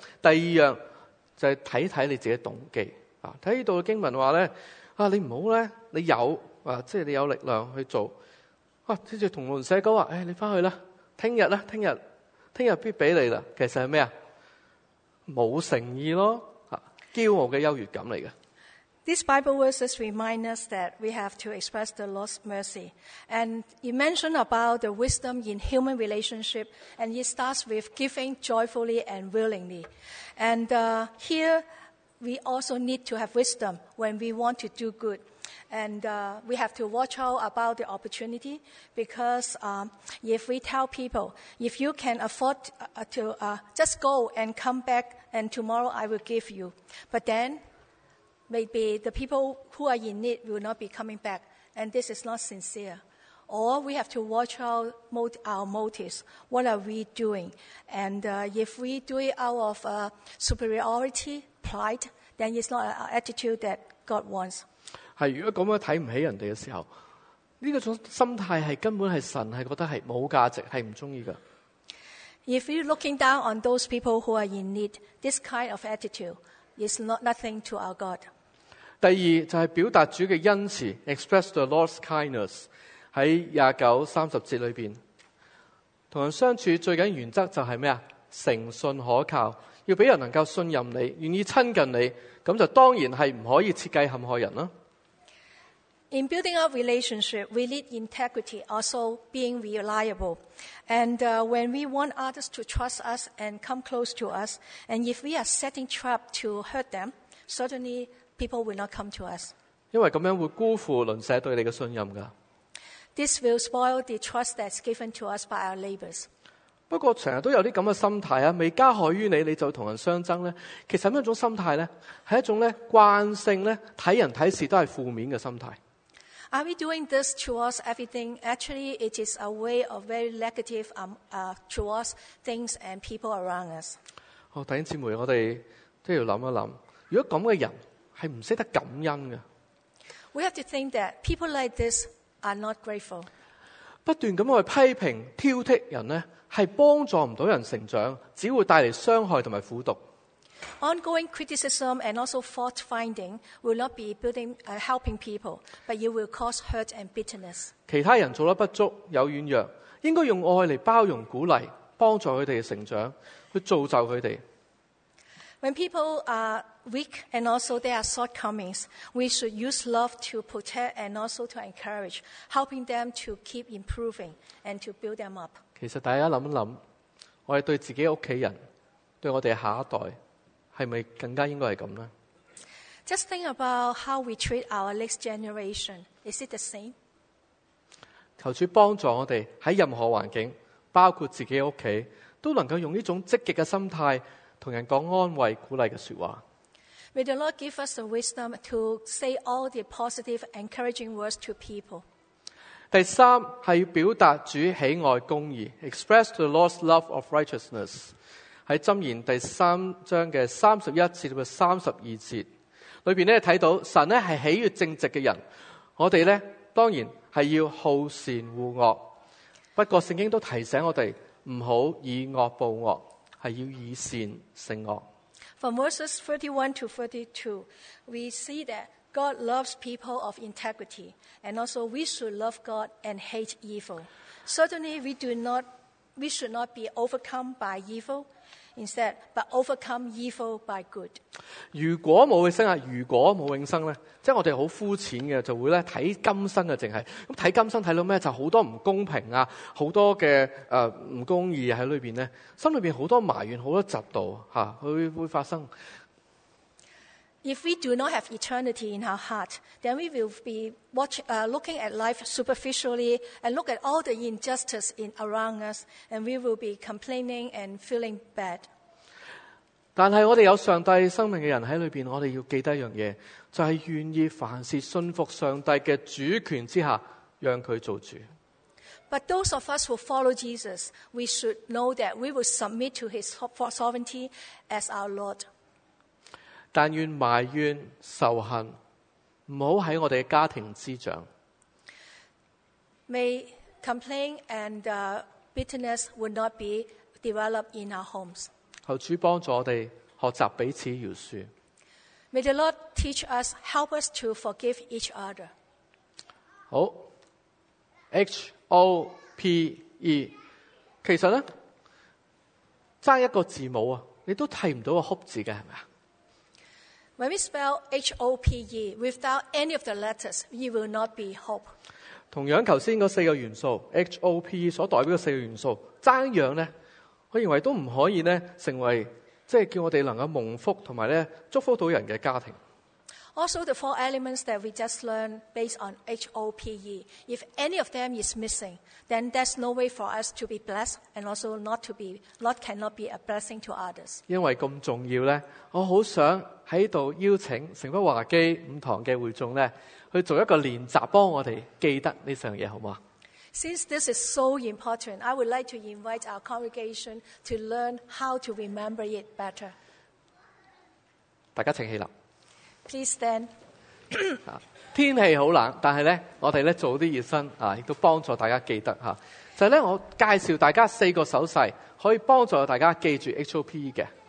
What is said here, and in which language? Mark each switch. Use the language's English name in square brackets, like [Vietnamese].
[Chinese] 第二样就是看你自己的动机，看这里的经文说你不要你有即是你有力量去做，即是同伴社哥说你回去吧，明天必给你了，其实是什么？没有诚意咯，骄傲的优越感来的。 [English] These Bible verses remind us that we have to express the Lord's mercy. And you mentioned about the wisdom in human relationship, and it starts with giving joyfully and willingly. And here, we also need to have wisdom when we want to do good. And we have to watch out about the opportunity, because if we tell people, if you can afford to just go and come back, and tomorrow I will give you. But then, maybe the people who are in need will not be coming back, and this is not sincere. Or we have to watch our motives. What are we doing? And if we do it out of superiority, pride, then it's not an attitude that God wants. [Chinese] 是，如果这样看不起人的时候，这种心态是根本是神是觉得是没有价值，是不喜欢的。 [English] If you're looking down on those people who are in need, this kind of attitude is not nothing to our God. [Chinese] 第二就是表达主的恩慈 [English] express the Lord's kindness [Chinese] 在29-30节里面。同人相处最紧原则就是什么？诚信可靠，要给人能够信任你，愿意亲近你，那就当然是不可以设计陷害人。 [English] In building up relationship, we need integrity, also being reliable. And when we want others to trust us and come close to us, and if we are setting trap to hurt them, certainly people will not come to us. [Chinese] 因为这样会辜负邻舍对你的信任的。 [English] This will spoil the trust that's given to us by our neighbors. [Chinese] 不过常常都有这样的心态，未加害于你，你就同人相争呢，其实是一种心态呢，是一种惯性呢，看人看事都是负面的心态。 [English] Are we doing this towards everything? Actually, it is a way of very negative towards things and people around us. [Chinese] 好，弟兄姊妹，我哋都要谂一谂，如果咁嘅人系唔识得感恩嘅 [English] ，We have to think that people like this are not grateful. [Chinese] 不断咁去批评挑剔人咧，系帮助唔到人成长，只会带嚟伤害同埋苦毒。 [English] Ongoing criticism and also fault finding will not be building, helping people, but it will cause hurt and bitterness. [Chinese] 其他人做得不足，有软弱，应该用爱来包容、鼓励，帮助他们成长，去造就他们。 [English] When people are weak and also there are shortcomings, we should use love to protect and also to encourage, helping them to keep improving and to build them up. [Chinese] 其实大家想一想，我们对自己的家人，对我们下一代，是不是更加应该是这样呢？ [English] Just think about how we treat our next generation. Is it the same? [Chinese] 求主帮助我们在任何环境，包括自己的家，都能够用这种积极的心态跟人讲安慰鼓励的说话。 [English] May the Lord give us the wisdom to say all the positive encouraging words to people. [Chinese] 第三是表达主喜爱公义 [English] express the Lord's love of righteousness。 [Chinese] 在箴言第三章的31-32节里面看到神是喜悦正直的人，我们当然是要好善恶恶，不过圣经都提醒我们不要以恶报恶，是要以善胜恶。 [English] From verses 31-32 we see that God loves people of integrity and also we should love God and hate evil. Certainly we should not be overcome by evil. Instead, but overcome evil by good. [Chinese] 如果冇永生啊，如果冇永生咧，即系我哋好肤浅嘅，就会咧睇今生嘅，净系咁睇今生睇到咩？就好多唔公平啊，好多嘅唔公义喺里边咧，心里边好多埋怨，好多嫉妒吓，会发生。 [English] If we do not have eternity in our heart, then we will be looking at life superficially and look at all the injustice around us, and we will be complaining and feeling bad. [Chinese] 但是我们有上帝生命的人在里面，我们要记得一件事，就是愿意凡事信服上帝的主权之下，让他做主。 [English] But those of us who follow Jesus, we should know that we will submit to his sovereignty as our Lord. [Chinese] 但愿埋怨仇恨不要在我们的家庭滋长。 [English] May complain and bitterness would not be developed in our homes. [Chinese] 求主帮助我们学习彼此饶恕。 [English] May the Lord teach us, help us to forgive each other. [Chinese] 好 ,H-O-P-E, 其实呢差一个字母你都睇不到个 hope 字的，是不是？ [English] When we spell H-O-P-E without any of the letters, you will not be hope. [Chinese] 同样刚才那四个元素 H-O-P-E 所代表的四个元素差一样呢，我认为都不可以呢成为即是叫我们能够蒙福和祝福到人的家庭。 [English] Also the four elements that we just learned based on H-O-P-E, if any of them is missing, then there's no way for us to be blessed and also not to be, not cannot be a blessing to others. [Chinese] 因为这么重要呢，我很想在这里邀请城北华基五堂的会众去做一个练习，帮我们记得这件事，好吗？ [English] Since this is so important, I would like to invite our congregation to learn how to remember it better. [Chinese] 大家请起立。 [English] Please stand. [Chinese] 天气很冷，但是我们做些热身也帮助大家记得。就是我介绍大家四个手势可以帮助大家记住 HOPE 的。